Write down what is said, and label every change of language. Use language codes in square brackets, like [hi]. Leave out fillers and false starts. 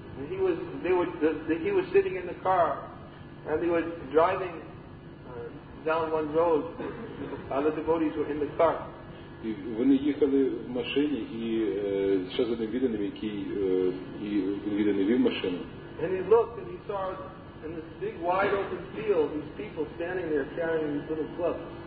[en] He was sitting in the car and he was driving down one road. Other devotees were in the car. [uk] І вони їхали в машині і ще з одним відданим, який відданий вів машину. [en] And he looked and he saw in this big wide open field these people standing there carrying these little clubs.